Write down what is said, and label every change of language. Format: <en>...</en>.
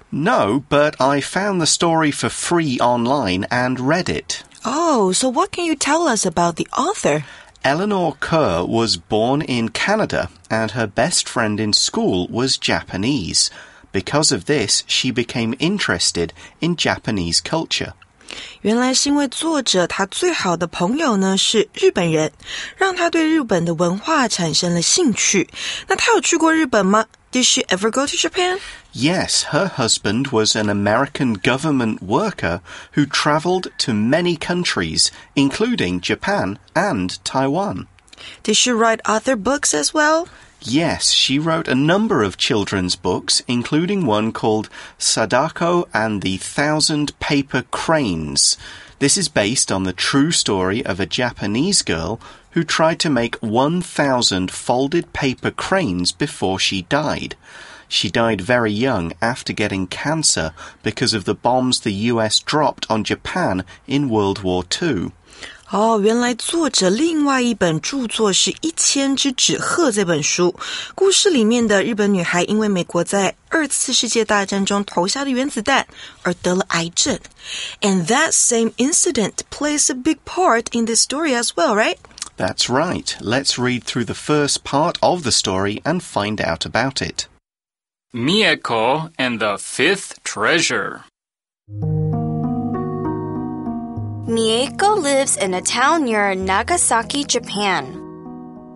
<en>No, but I found the story for free online and read it. Oh, so what can you tell us about the author? Eleanor Kerr was born in Canada, and her best friend in school was Japanese. Because of this, she became interested in Japanese culture.</en> <zh>原来是因为作者他最好的朋友呢是日本人，让他对日本的文化产生了兴趣。那他有去过日本吗？</zh> <en>Did she ever go to Japan? Yes, her husband was an American government worker who traveled to many countries, including Japan and Taiwan. Did she write other books as well? Yes, she wrote a number of children's books, including one called Sadako and the Thousand Paper Cranes. This is based on the true story of a Japanese girl who tried to make 1,000 folded paper cranes before she died. She died very young after getting cancer because of the bombs the US dropped on Japan in World War II.</en> <zh>哦，原来作者另外一本著作是《一千只纸鹤》这本书。故事里面的日本女孩因为美国在二次世界大战中投下的原子弹而得了癌症。</zh> <en>And that same incident plays a big part in this story as well, right? That's right. Let's read through the first part of the story and find out about it. Mieko and the Fifth Treasure. Mieko lives in a town near Nagasaki, Japan.</en>